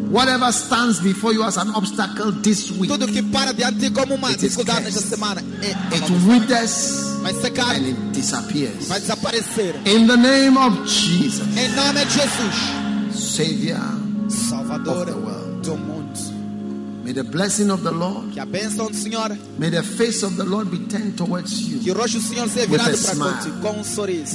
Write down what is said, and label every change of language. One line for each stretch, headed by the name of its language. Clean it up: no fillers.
English: Whatever stands before you as an obstacle this week.
Portuguese: Tudo que para diante como uma dificuldade nesta semana.
English: It withers.
Portuguese: Vai secar.
English: And it disappears.
Portuguese: Vai desaparecer.
English: In the name of Jesus.
Portuguese: Em nome de Jesus.
English: Savior.
Portuguese: Salvador.
English: Of the world.
Portuguese: Do mundo.
English: May the blessing of the Lord.
Portuguese: Que a bênção do Senhor.
English: May the face of the Lord be turned towards you.
Portuguese: Que o rosto do Senhor seja virado para você com um sorriso.